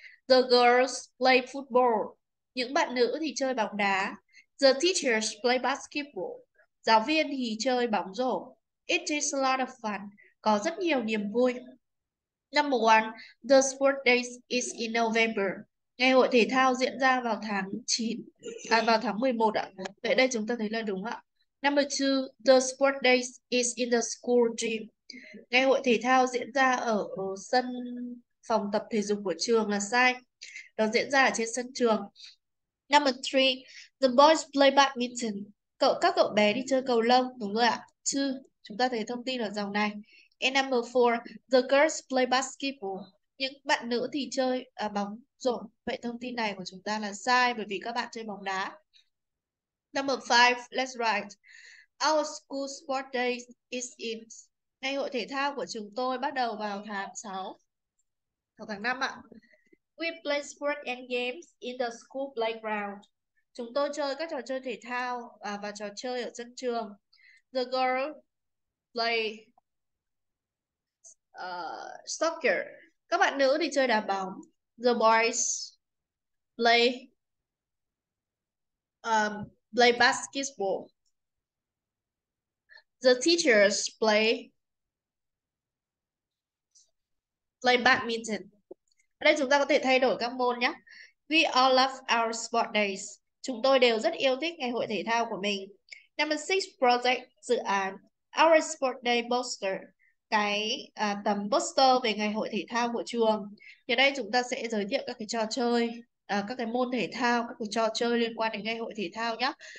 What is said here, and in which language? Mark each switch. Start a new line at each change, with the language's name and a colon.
English: The girls play football.
Vietnamese: Những bạn nữ thì chơi bóng đá.
English: The teachers play basketball.
Vietnamese: Giáo viên thì chơi bóng rổ.
English: It is a lot of fun.
Vietnamese: Có rất nhiều niềm vui.
English: Number one, the sport day is in November.
Vietnamese: Ngày hội thể thao diễn ra vào tháng 9, vào tháng 11 ạ. Vậy đây chúng ta thấy là đúng ạ.
English: Number two, the sport day is in the school gym.
Vietnamese: Ngày hội thể thao diễn ra ở sân phòng tập thể dục của trường là sai. Nó diễn ra ở trên sân trường.
English: Number three, the boys play badminton.
Vietnamese: Các cậu bé đi chơi cầu lông, đúng rồi ạ. Two, chúng ta thấy thông tin ở dòng này.
English: And number four, the girls play basketball.
Vietnamese: Những bạn nữ thì chơi bóng rổ. Vậy thông tin này của chúng ta là sai bởi vì các bạn chơi bóng đá.
English: Number five, let's write. Our school sport day is in.
Vietnamese: Ngày hội thể thao của chúng tôi bắt đầu vào tháng 6. Vào tháng 5 ạ.
English: We play sport and games in the school playground.
Vietnamese: Chúng tôi chơi các trò chơi thể thao và trò chơi ở sân trường.
English: The girls play soccer.
Vietnamese: Các bạn nữ thì chơi đá bóng.
English: The boys play play basketball. The teachers play badminton.
Vietnamese: Ở đây chúng ta có thể thay đổi các môn nhé.
English: We all love our sport days.
Vietnamese: Chúng tôi đều rất yêu thích ngày hội thể thao của mình.
English: Number six, project,
Vietnamese: dự án.
English: Our sport day poster.
Vietnamese: Cái tấm poster về ngày hội thể thao của trường. Thì đây chúng ta sẽ giới thiệu các cái trò chơi, các cái môn thể thao, các cái trò chơi liên quan đến ngày hội thể thao nhé.